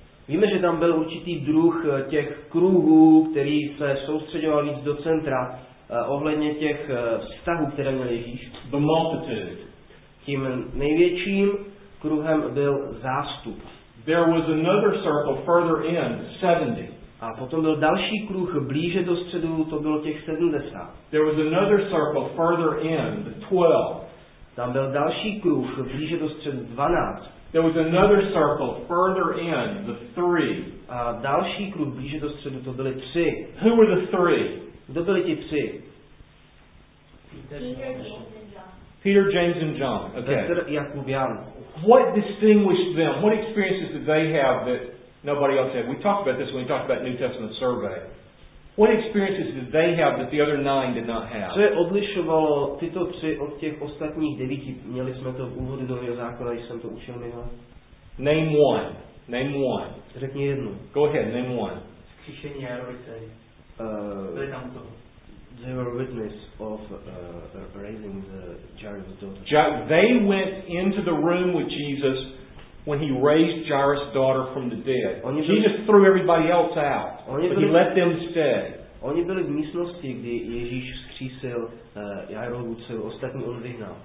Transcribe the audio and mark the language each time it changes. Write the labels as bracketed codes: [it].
[cs] Víme, že tam byl určitý druh těch kruhů, který se soustředoval víc do centra, ohledně těch vztahů, které měl Ježíš. [en] The multitude. [cs] Tím největším kruhem byl zástup. [en] There was another circle further in, 70. [cs] A potom byl další kruh blíže do středu, to bylo těch 70. [en] There was another circle further in, the 12. [cs] Tam byl další kruh blíže do středu, 12. [en] There was another circle further in, the 3. [cs] A další kruh blíže do středu, to byly 3. [en] Who were the 3? [cs] Kdo byli ti 3? [en] Peter, James and John. Peter, James and John. Okay. [cs] Jakub, Jan. [en] What distinguished them? What experiences did they have that nobody else had? We talked about this when we talked about New Testament survey. What experiences did they have that the other 9 did not have? [cs] Co je odlišovalo tyto 3 od těch ostatních 9? Měli jsme to v úvodu Nového zákona, když jsem to učil minule. [en] Name one. Name one. [cs] Řekni jednu. [en] Go ahead, name one. [cs] Vzkříšení Jarovicej. Byli tam to. [en] They were witness of raising the Jairus' daughter. They went into the room with Jesus when he raised Jairus' daughter from the dead. Jesus threw everybody else out, but he let them stay. [cs] Oni byli v místnosti, kdy Ježíš vzkřísil Jairovu dceru, ostatní on vyhnal.